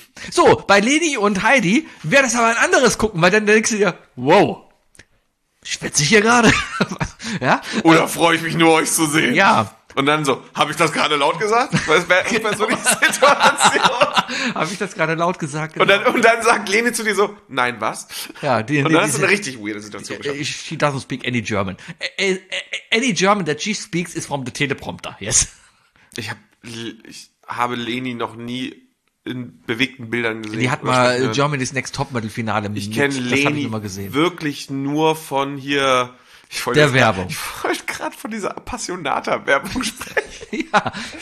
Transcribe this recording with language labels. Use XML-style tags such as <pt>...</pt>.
<de>So, bei Leni und Heidi wäre das aber ein anderes Gucken, weil dann denkst du dir, wow, schwitze ich hier gerade? Ja? Oder freue ich mich nur, euch zu sehen? Ja. Und dann so, habe ich das gerade laut gesagt? Das wäre echt mal so die Situation. Habe ich das gerade laut gesagt? Genau. Und dann sagt Leni zu dir so, nein, was? Ja, die, und dann hast du eine richtig weirde Situation</de> <en>geschafft. She doesn't speak any German. Any German that she speaks is from the teleprompter, yes.</en> <de>Ich habe Leni noch nie in bewegten Bildern gesehen. Die hat mal Germany's Next Topmodel-Finale mit. Ich kenne Leni wirklich nur von hier... Werbung. Ich wollte gerade von dieser Appassionata-Werbung sprechen. Ja.</de>